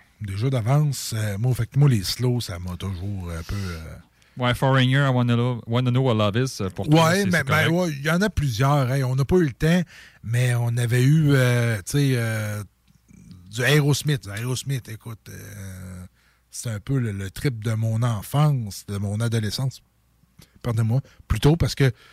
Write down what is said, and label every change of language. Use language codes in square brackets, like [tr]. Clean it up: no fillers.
[fr] Déjà d'avance, moi, les slow, ça m'a toujours un peu... [en] Ouais, Foreigner, I want to know what love is. [fr] Pour toi, ouais, mais ben, ouais, il y en a plusieurs. Hein. On n'a pas eu le temps, mais on avait eu, du Aerosmith. Aerosmith, écoute, c'est un peu le trip de mon enfance, de mon adolescence. Pardonne-moi, plutôt parce que